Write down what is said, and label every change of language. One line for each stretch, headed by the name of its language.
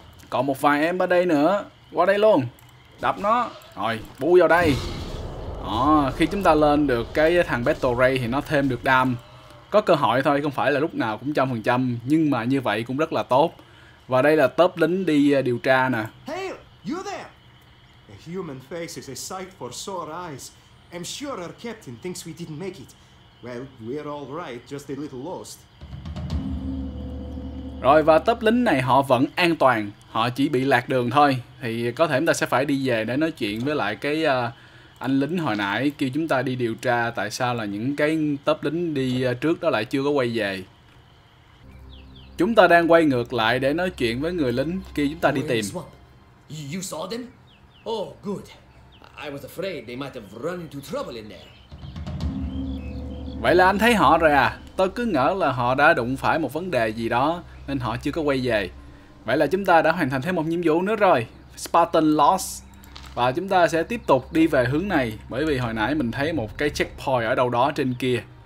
Vietnamese: Còn một vài em ở đây nữa. Qua đây luôn. Đập nó. Rồi, bu vào đây. Ồ, khi chúng ta lên được cái thằng Battle Ray thì nó thêm được đam. Có cơ hội thôi, không phải là lúc nào cũng 100%. Nhưng mà như vậy cũng rất là tốt. Và đây là tớp lính đi điều tra nè.
English: Hey, you there? A human face is a sight for sore eyes. I'm sure our captain thinks we didn't make it. Well, we're all right, just a little lost.
Vietnamese: Rồi, và tớp lính này họ vẫn an toàn. Họ chỉ bị lạc đường thôi. Thì có thể chúng ta sẽ phải đi về để nói chuyện với lại cái... anh lính hồi nãy kêu chúng ta đi điều tra tại sao là những cái tớp lính đi trước đó lại chưa có quay về. Chúng ta đang quay ngược lại để nói chuyện với người lính kêu chúng ta đi tìm.
English: You saw them? Oh, good. I was afraid they might have run into trouble in there.
Vietnamese: Vậy là anh thấy họ rồi à? Tôi cứ ngỡ là họ đã đụng phải một vấn đề gì đó nên họ chưa có quay về. Vậy là chúng ta đã hoàn thành thêm một nhiệm vụ nữa rồi, Spartan Lost. Và chúng ta sẽ tiếp tục đi về hướng này, bởi vì hồi nãy mình thấy một cái checkpoint ở đâu đó trên kia.